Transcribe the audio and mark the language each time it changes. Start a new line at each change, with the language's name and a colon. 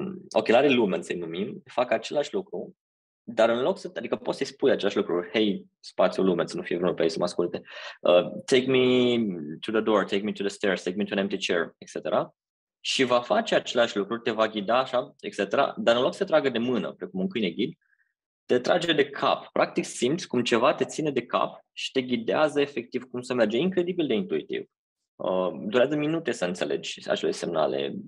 Romanian: Ochelarii Lumen, să-i numim, fac același lucru, dar în loc să... Adică poți să-i spui același lucru, hei, spațiu Lumen, să nu fie vreunul pe ei să mă asculte.
English: Take me to the door, take me to the stairs, take me to an empty chair, etc.
Romanian: Și va face același lucru, te va ghida așa, etc. Dar în loc să te tragă de mână, precum un câine ghid, te trage de cap. Practic simți cum ceva te ține de cap și te ghidează efectiv cum să merge. Incredibil de intuitiv. Durează minute să înțelegi acele semnale.